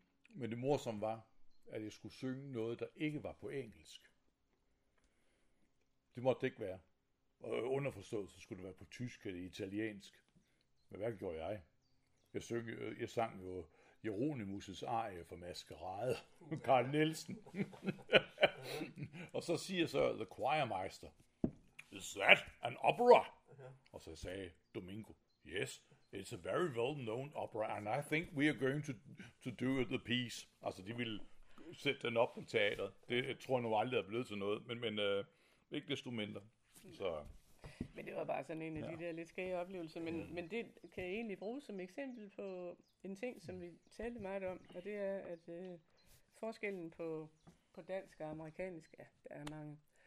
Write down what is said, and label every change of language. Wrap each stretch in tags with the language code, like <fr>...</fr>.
<da>Men det morsomme var, at jeg skulle synge noget, der ikke var på engelsk. Det måtte det ikke være. Og underforstået, så skulle det være på tysk eller italiensk. Men hvad gjorde jeg? Jeg sang jo Jeronimus' arie for Maskerade, Carl Nielsen. Og så siger så</da> <en>the choirmeister, is that an opera?</en> <da>Og så sagde Domingo,</da> <en>yes, it's a very well-known opera, and I think we are going to do the piece.</en> <da>Altså, de ville sætte den op på teateret. Det tror jeg nu aldrig er blevet til noget, men ikke desto mindre. Så. Men det var bare sådan en af de der lidt skære oplevelser, men det kan jeg egentlig bruge som eksempel på en ting, som vi talte meget om, og det er, at forskellen på dansk og amerikansk, ja, der er mange,</da>